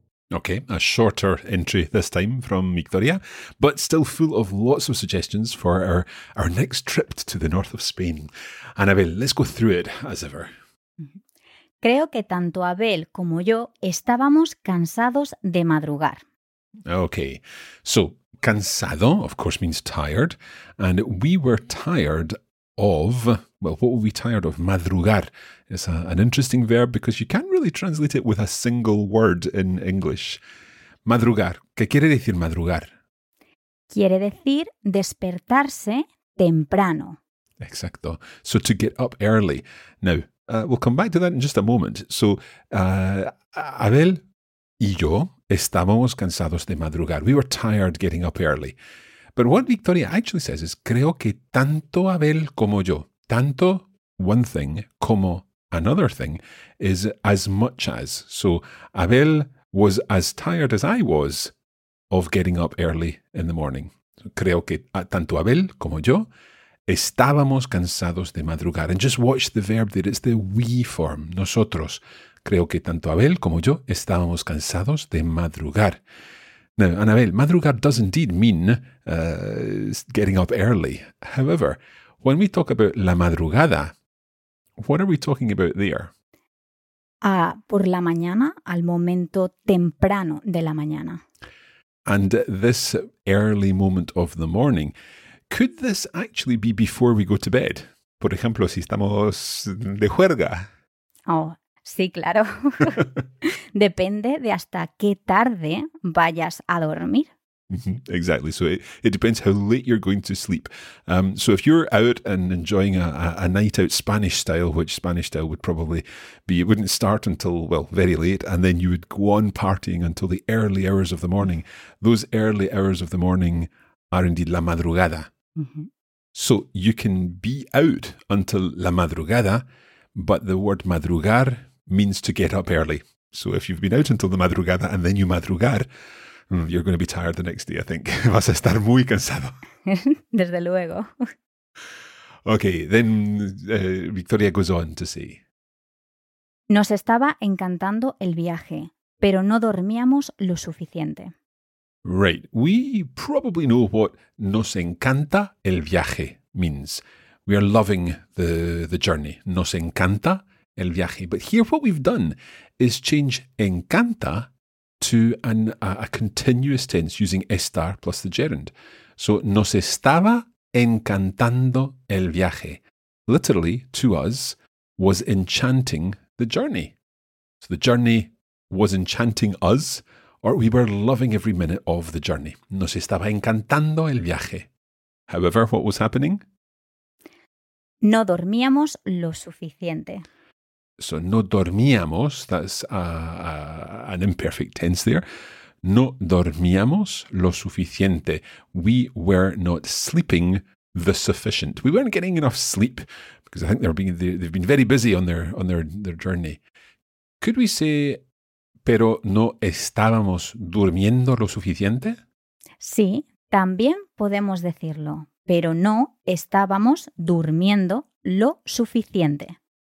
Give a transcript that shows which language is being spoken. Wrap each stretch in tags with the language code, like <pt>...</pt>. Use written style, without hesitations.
<en>Okay, a shorter entry this time from Victoria, but still full of lots of suggestions for our next trip to the north of Spain. Anabel, let's go through it as ever.</en> <es>Creo que tanto Abel como yo estábamos cansados de madrugar.</es> <en>Okay, so cansado, of course, means tired, and we were tired of, well, what were we tired of? Madrugar is an interesting verb because you can't really translate it with a single word in English.</en> <es>Madrugar, ¿qué quiere decir madrugar? Quiere decir despertarse temprano.</es> <en>Exacto, so to get up early. Now, we'll come back to that in just a moment. So,</en> <es>Abel y yo estábamos cansados de madrugar.</es> <en>We were tired getting up early. But what Victoria actually says is,</en> <es>creo que tanto Abel como yo,</es> <en>tanto one thing como another thing, is as much as. So Abel was as tired as I was of getting up early in the morning.</en> <es>Creo que tanto Abel como yo estábamos cansados de madrugar.</es> <en>And just watch the verb there. It's the we form. Nosotros.</en> <es>Creo que tanto Abel como yo estábamos cansados de madrugar.</es> <en>Now, Anabel, madrugar does indeed mean getting up early. However, when we talk about la madrugada, what are we talking about there?</en> <es>Por la mañana, al momento temprano de la mañana.</es> <en>And this early moment of the morning, could this actually be before we go to bed?</en> <es>Por ejemplo, si estamos de juerga. Oh, sí, claro. Depende de hasta qué tarde vayas a dormir.</es> <en>Exactly. So it depends how late you're going to sleep. So if you're out and enjoying a night out Spanish style, which Spanish style would probably be, it wouldn't start until, well, very late, and then you would go on partying until the early hours of the morning. Those early hours of the morning are indeed la madrugada. Mm-hmm. So you can be out until la madrugada, but the word madrugar means to get up early. So if you've been out until the madrugada and then you madrugar, you're going to be tired the next day, I think.</en> <es>Vas a estar muy cansado. Desde luego.</es> <en>Okay, then Victoria goes on to say.</en> <es>Nos estaba encantando el viaje, pero no dormíamos lo suficiente.</es> <en>Right. We probably know what</en> <es>nos encanta el viaje</es> <en>means. We are loving the journey.</en> <es>Nos encanta el viaje.</es> <en>But here what we've done is change encanta to a continuous tense using estar plus the gerund.</en> <es>So nos estaba encantando el viaje.</es> <en>Literally, to us, was enchanting the journey. So the journey was enchanting us, or we were loving every minute of the journey.</en> <es>Nos estaba encantando el viaje.</es> <en>However, what was happening?</en> <es>No dormíamos lo suficiente.</es> <en>So</en> <es>no dormíamos,</es> <en>that's an imperfect tense there.</en> <es>No dormíamos lo suficiente.</es> <en>We were not sleeping the sufficient. We weren't getting enough sleep because I think they've been very busy on their journey. Could we say,</en> <es>pero no estábamos durmiendo lo suficiente? Sí, también podemos decirlo, pero no estábamos durmiendo lo suficiente.</es>